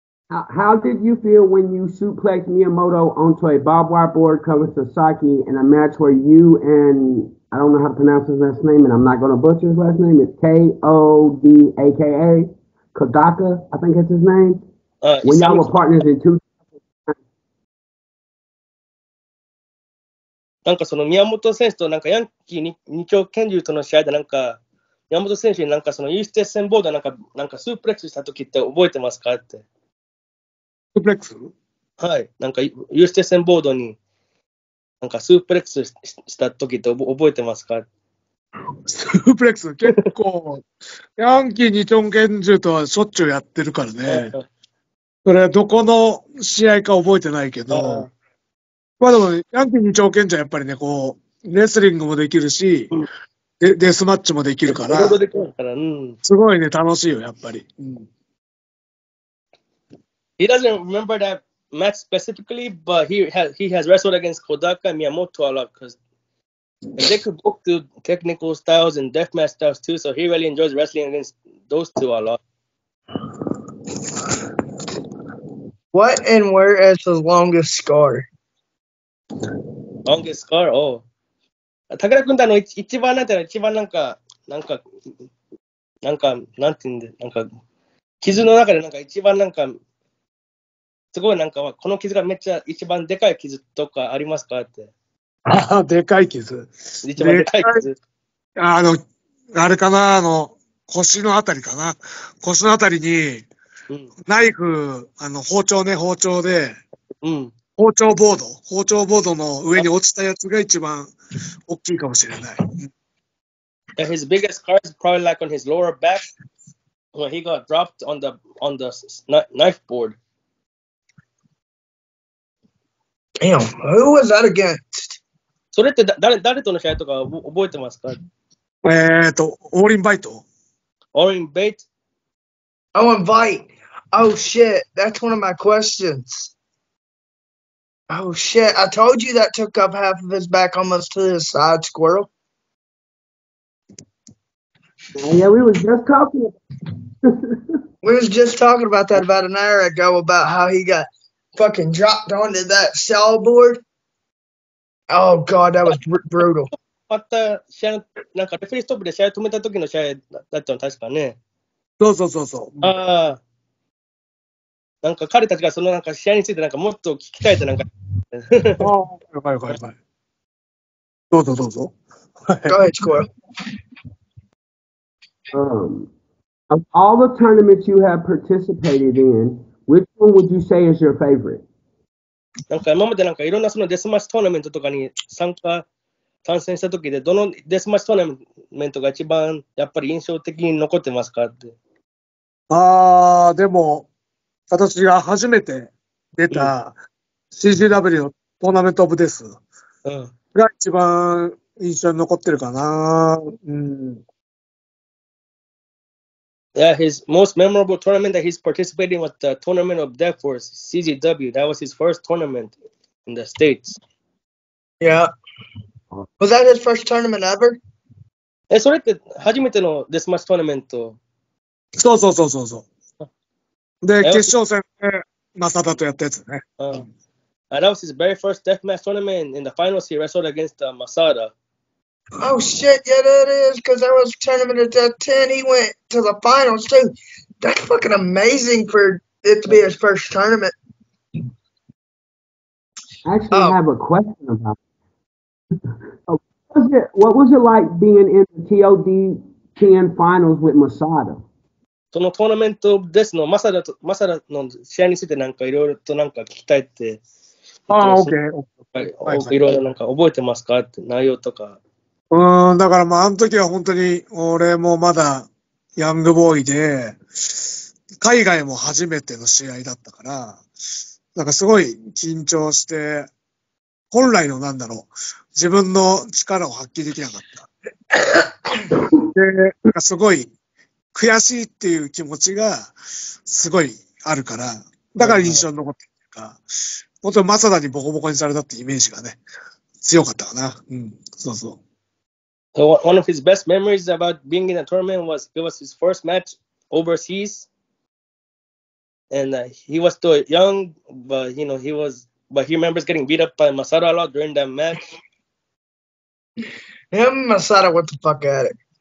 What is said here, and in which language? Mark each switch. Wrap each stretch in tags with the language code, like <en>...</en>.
<en>How did you feel when you suplexed Miyamoto onto a barbed wire board covered with Sasaki in a match where you and, I don't know how to pronounce his last name, and I'm not going to butcher his last name, it's K-O-D-A-K-A, Kodaka, I think that's his name, when y'all were partners in 2009?</en> <ja>なんかその宮本選手となんかヤンキー二丁拳銃との試合でなんか、宮本選手になんかそのイーステッセンボードなんかスープレックスした時って覚えてますかって。スープレックス？はい。なんかイーステッセンボードになんかスープレックスした時って覚えてますか？スープレックス結構ヤンキー二丁拳銃とはしょっちゅうやってるからね。それはどこの試合か覚えてないけど。まあでも、ね、ヤンキー二丁拳銃やっぱりねこうレスリングもできるし。うんデスマッチもできるから。すごいね、楽しいよ、やっぱり。</ja> <en>He doesn't remember that match specifically, but he has wrestled against Kodaka and Miyamoto a lot because they could book the technical styles and deathmatch styles too, so he really enjoys wrestling against those two a lot. What and where is the longest scar? Longest scar? Oh.</en> <ja>武田君ってあの一番なんていうの一番なんかなんていうんでなんか傷の中でなんか一番なんかすごいなんかこの傷がめっちゃ一番でかい傷とかありますかってああでかい傷一番でかい傷あのあれかなあの腰のあたりかな腰のあたりに、うん、ナイフあの包丁ね包丁で、うん、包丁ボードの上に落ちたやつが一番大きいかもしれない。</ja> <en>Yeah, his biggest scar is probably like on his lower back when he got dropped on the knife board. Damn, who was that against?</en> <ja>それって誰との試合とか覚えてますか？</ja> <en>Orin Veidt. Orin Veidt. Oh, and Veidt. Oh shit, that's one of my questions. Oh shit, I told you that took up half of his back almost to his side, squirrel. Yeah, we was just talking about that. We was just talking about that about an hour ago about how he got fucking dropped onto that cell board. Oh god, that was brutal. But the show, like the referee stopped the show, stopped the time of the show, that's right, right? So.</en> <ja>なんか彼たちがそのなんか試合についてなんかもっと聞きたいとなんか。ああ、よかったよかった。どうぞどうぞ。</ja> <en>Go ahead, squirrel. Of all the tournaments you have participated in, which one would you say is your favorite?</en> <ja>なんか今までなんかいろんなそのデスマッチトーナメントとかに参戦した時で、どのデスマッチトーナメントが一番やっぱり印象的に残ってますかって。ああ、でも。私が初めて出た CGW のトーナメントオブデス、うん、が一番印象に残ってるかな。うん、</ja> <en>yeah, his most memorable tournament that he's participating was the tournament of death for CGW. That was his first tournament in the States. Yeah. Was that his first tournament ever?</en> <ja>それって初めてのデスマッチトーナメント。そうそうそうそうそう。で、決勝戦で、Masadaとやったやつね。うん。</ja> <en>That was his very first deathmatch tournament in the finals he wrestled against Masada. Oh shit, yeah that is, cause that was tournament of death 10, he went to the finals too. That's fucking amazing for it to be his first tournament. Actually, I have a question about it. What was What was it like being in the TOD 10 finals with Masada?</en> <ja>そのトーナメントですの、マサダの試合についてなんかいろいろとなんか聞きたいって。ああ、OK。はい、いろいろなんか覚えてますかって内容とか。だからまあ、あの時は本当に俺もまだヤングボーイで、海外も初めての試合だったから、なんかすごい緊張して、本来のなんだろう、自分の力を発揮できなかった。で、なんかすごい、悔しいっていう気持ちがすごいあるから、だから印象に残ってるというか、本当にマサダにボコボコにされたってイメージがね、強かったかな。うん、そうそう。</ja> <en>So one of his best memories about being in a tournament was it was his first match overseas, and he was still young, but you know he was, but he remembers getting beat up by Masada a lot during that match. Him and Masada went the fuck at it.</en>